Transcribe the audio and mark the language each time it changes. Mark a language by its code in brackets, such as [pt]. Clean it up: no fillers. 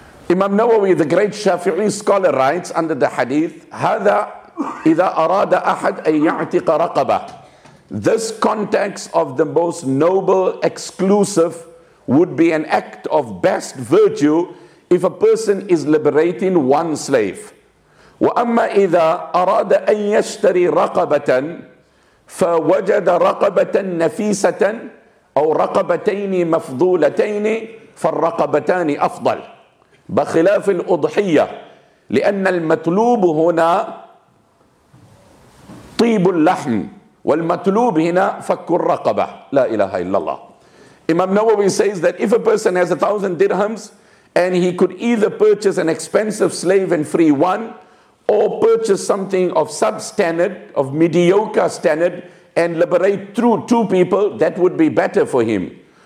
[en] Imam Nawawi, the great Shafi'i scholar, writes under the hadith, [ar] هَذَا إِذَا أَرَادَ أَحَدْ أَن يَعْتِقَ رَقَبَهُ. [en] This context of the most noble, exclusive, would be an act of best virtue if a person is liberating one slave. [ar] وَأَمَّا إِذَا أَرَادَ أَنْ يَشْتَرِي رَقَبَةً فَوَجَدَ رَقَبَةً نَفِيسَةً أَوْ رَقَبَتَيْنِ مَفْضُولَتَيْنِ فَالرَّقَبَتَانِ أَفْضَلُ بخلاف الأضحية، لأن المطلوب هنا طيب اللحم، والمطلوب هنا فك الرقبة. لا إله إلا الله. [en] Imam Nawawi says that if a person has 1,000 dirhams and he could either purchase an expensive slave and free one, or purchase something of substandard, of mediocre standard, and liberate through two people, that would be better for him.